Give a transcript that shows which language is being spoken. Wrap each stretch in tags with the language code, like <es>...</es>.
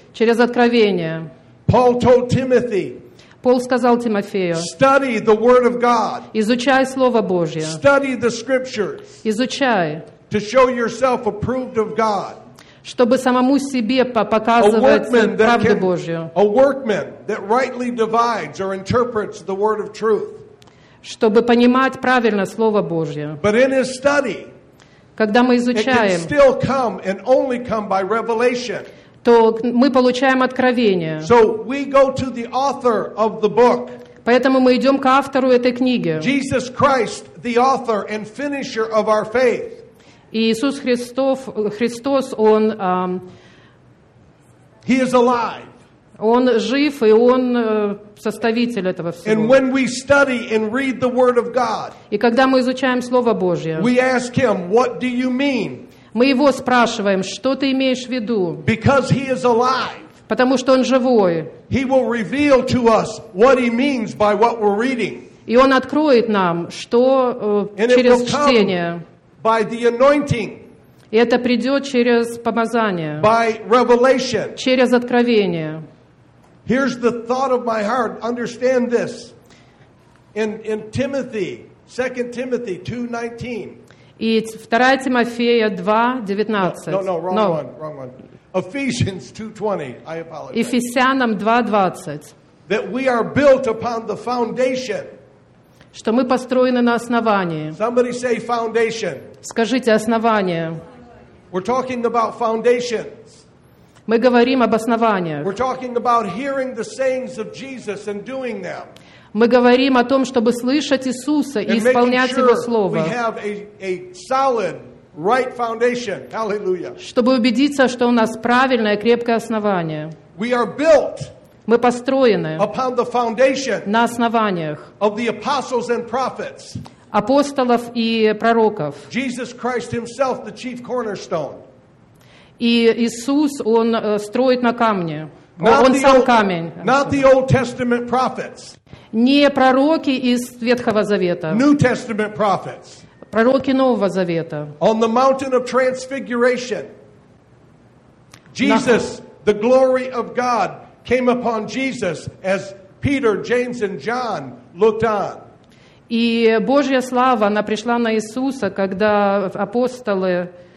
<ru>Через откровение.</ru> <en>Paul told Timothy,</en> <ru>Пол сказал Тимофею,</ru> <en>study the word of God.</en> <ru>Изучай Слово Божье.</ru> <en>Study the scriptures.</en> <ru>Изучай.</ru> <en>To show yourself approved of God.</en> <ru>Чтобы самому себе показывать правду Божью.</ru> <en>A workman that rightly divides or interprets the word of truth.</en> <ru>Чтобы понимать правильно Слово Божье.</ru> <en>But in his study,</en> <ru>когда мы изучаем,</ru> <en>it can still come and only come by revelation.</en> <ru>То мы получаем откровение.</ru> <en>So we go to the author of the book.</en> <ru>Поэтому мы идем к автору этой книги.</ru> <en>Jesus Christ, the author and finisher of our faith.</en> <ru>Иисус Христос, Он...</ru> <en>He is alive.</en> <ru>Он жив, и Он составитель этого всего.</ru> <en>And when we study and read the Word of God,</en> <ru>и когда мы изучаем Слово Божье,</ru> <en>we ask Him, what do you mean?</en> <ru>Мы Его спрашиваем, что ты имеешь в виду?</ru> <en>Because He is alive.</en> <ru>Потому что Он живой.</ru> <en>He will reveal to us what He means by what we're reading.</en> <ru>И Он откроет нам, что через чтение...</ru> <en>By the anointing.</en> <ru>И это придет через помазание.</ru> <en>By revelation.</en> <ru>Через откровение.</ru> <en>Here's the thought of my heart. Understand this. In Timothy, 2 Timothy 2:19.</en> <ru>И 2 Тимофея 2:19.</ru> <en>No, wrong one. Ephesians 2:20. I apologize.</en> <ru>Ефесянам 2:20.</ru> <en>That we are built upon the foundation.</en> <ru>Что мы построены на основании.</ru> <en>Somebody say foundation.</en> <ru>Скажите основание.</ru> <en>We're talking about foundations.</en> <ru>Мы говорим об основаниях.</ru> <en>We're talking about hearing the sayings of Jesus and doing them.</en> <ru>Мы говорим о том, чтобы слышать Иисуса и исполнять Его Слово.</ru> <en>We have a solid, right foundation. Hallelujah.</en> <ru>Чтобы убедиться, что у нас правильное, крепкое основание.</ru> <en>We are built.</en> <ru>Мы построены</ru> <en>upon the foundation</en> <ru>на основаниях</ru> <en>of the apostles and prophets.</en> <ru>Апостолов и пророков.</ru> <en>Jesus Christ himself, the chief cornerstone.</en> <ru>И Иисус, Он строит на камне. Он сам камень.</ru> <en>Not the Old Testament prophets.</en> <ru>Не пророки из Ветхого Завета.</ru> <en>New Testament prophets.</en> <ru>Пророки Нового Завета.</ru> <en>On the mountain of transfiguration, Jesus, the glory of God, came upon Jesus as Peter, James, and John looked on.</en> <ru>И Божья слава, она пришла на Иисуса, когда апостолы</ru>